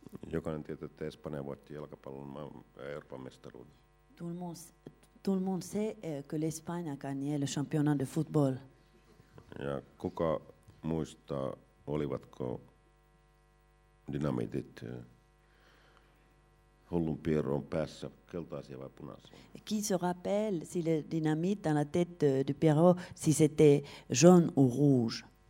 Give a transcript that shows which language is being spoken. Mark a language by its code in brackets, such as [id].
[fi] Jokainen tietää, että Espanja voitti jalkapallon Euroopan mestaruuden. [fr] Tout le monde sait que l'Espagne a gagné le championnat de football. [fi] Ja kuka muistaa, olivatko dynamitit Hollun Pierron päässä keltaisia vai punaisia? [fr] Qui se rappelle si le dynamite dans la tête de Pierrot, si c'était jaune ou rouge?